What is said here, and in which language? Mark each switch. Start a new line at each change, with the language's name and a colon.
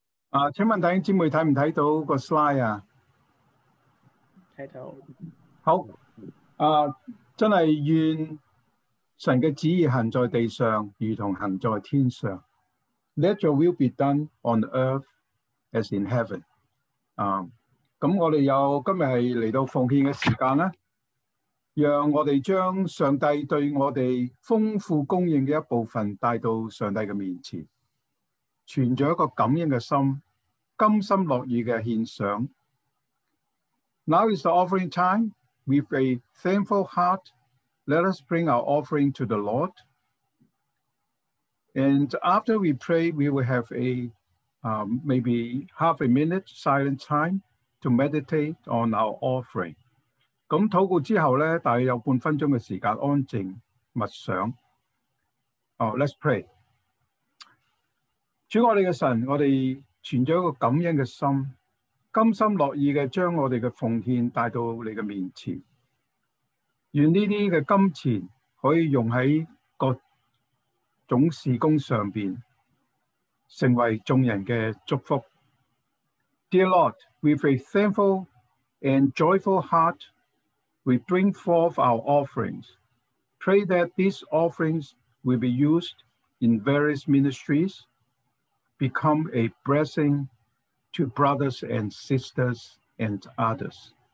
Cantonese: 啊，请问弟兄姊妹睇唔睇到个 slide 啊？睇到。好。啊，真系愿神嘅旨意行在地上，如同行在天上。
English: Let your will be done on earth as in heaven。
Cantonese: 啊，咁我哋有今日系嚟到奉献嘅时间啦，让我哋将上帝对我哋丰富供应嘅一部分带到上帝嘅面前。存着一个感恩的心，甘心乐意的献上。
English: Now is the offering time. With a thankful heart, let us bring our offering to the Lord. And after we pray, we will have a maybe half a minute silent time to meditate on our offering.
Cantonese: 咁祷告之后咧，大约有半分钟嘅时间安静默想。
English: Oh, let's pray.
Cantonese: 主我哋嘅神，我哋存着一个感恩嘅心，甘心乐意嘅将我哋嘅奉献带到你嘅面前。愿呢啲嘅金钱可以用喺各种事工上边，成为众人嘅祝福。
English: Dear Lord, with a thankful and joyful heart, we bring forth our offerings. Pray that these offerings will be used in various ministries. Become a blessing to brothers and sisters and others.